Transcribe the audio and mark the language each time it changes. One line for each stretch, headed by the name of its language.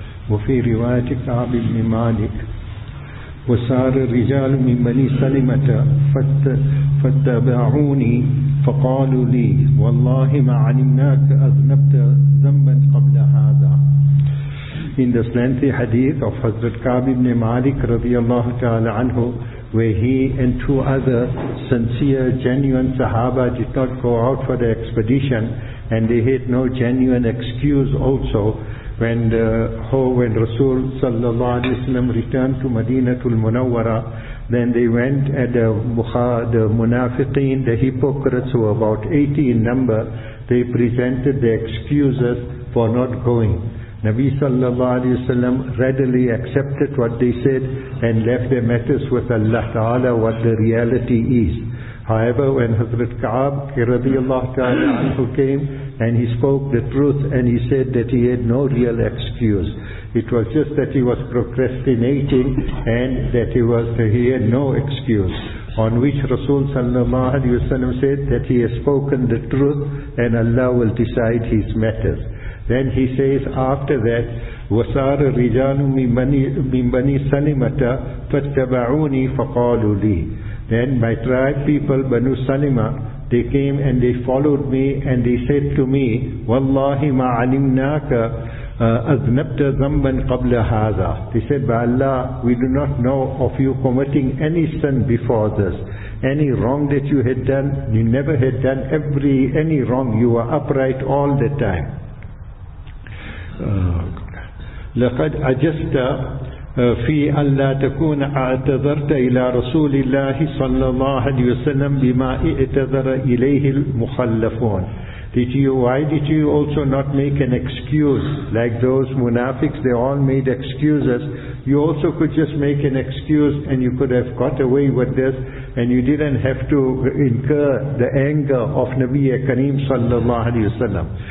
Arabic: وفي رواية كعب بن مالك: وسار الرجال من بني سلمة فاتبعوني فقالوا لي: والله ما علمناك أذنبت ذنبا قبل هذا.
English: In this lengthy hadith of Hazrat Ka'b ibn Malik radiyallahu ta'ala anhu, where he and two other sincere, genuine Sahaba did not go out for the expedition, and they had no genuine excuse also when Rasul sallallahu alayhi wa sallam returned to Madinatul Munawwara, then they went at the Munafiqeen, the hypocrites, who were about 80 in number. They presented the excuses for not going. Nabi sallallahu alayhi wa sallam readily accepted what they said and left their matters with Allah ta'ala what the reality is. However, when Hazrat Ka'ab radiallahu ta'ala anhu came and he spoke the truth and he said that he had no real excuse. It was just that he was procrastinating and that he had no excuse. On which Rasul sallallahu alayhi wa sallam said that he has spoken the truth and Allah will decide his matters. Then he says after that,
Arabic: وَسَارَ رِجَانُ مِنْ بَنِي سَلِمَةَ فَاتَّبَعُونِي فَقَالُوا لِي.
English: Then my tribe people, Banu Salima, they came and they followed me and they said to me,
Arabic: وَاللَّهِ مَا عَلِمْنَاكَ أَذْنَبْتَ ذَنْبًا قَبْلَ هَذَا.
English: They said, by Allah, we do not know of you committing any sin before this. Any wrong that you had done, you never had done any wrong. You were upright all the time.
Arabic: لقد عجزت في أن لا تكون اعتذرت إلى رسول الله صلى الله عليه وسلم بما اعتذر إليه المخلفون.
English: Why did you also not make an excuse like those munafiqs? They all made excuses. You also could just make an excuse and you could have got away with this and you didn't have to incur the anger of Nabi Kareem sallallahu alayhi wasallam.